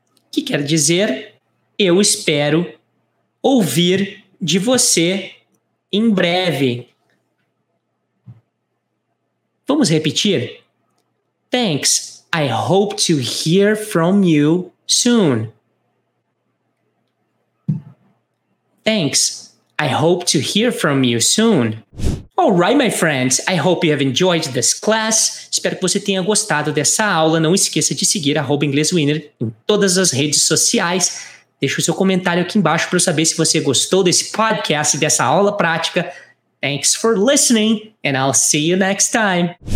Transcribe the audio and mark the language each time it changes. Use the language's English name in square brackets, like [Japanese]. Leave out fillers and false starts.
[Portuguese] Que quer dizer, eu espero ouvir de você em breve. Vamos repetir? [English] Thanks, I hope to hear from you soon. Thanks, I hope to hear from you soon. Alright, my friends, I hope you have enjoyed this class. [Portuguese] Espero que você tenha gostado dessa aula. Não esqueça de seguir @inglêswinner em todas as redes sociais. Deixa o seu comentário aqui embaixo para eu saber se você gostou desse podcast e dessa aula prática. [English] Thanks for listening and I'll see you next time.